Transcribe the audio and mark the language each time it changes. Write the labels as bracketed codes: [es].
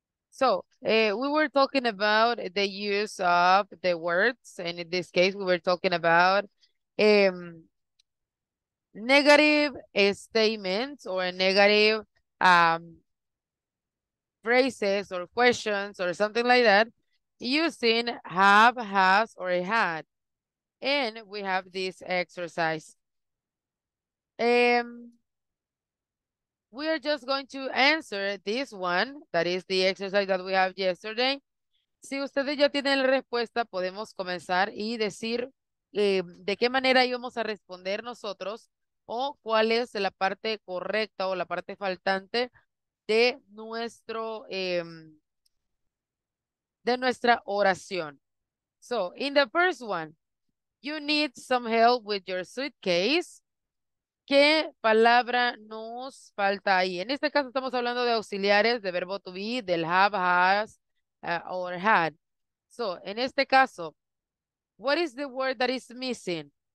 [en] So, we were talking about the use of the words, and in this case, we were talking about negative statements or a negative phrases or questions or something like that, using have, has, or had. And we have this exercise. We are just going to answer this one, that is the exercise that we have yesterday. [es] Si ustedes ya tienen la respuesta, podemos comenzar y decir de qué manera íbamos a responder nosotros o cuál es la parte correcta o la parte faltante de nuestro de nuestra oración. [en] So, in the first one, you need some help with your suitcase. [es] ¿Qué palabra nos falta ahí? En este caso estamos hablando de auxiliares, de verbo to be, del have, has, or had. [en] So, [es] en este caso, [en] what is the word that is missing?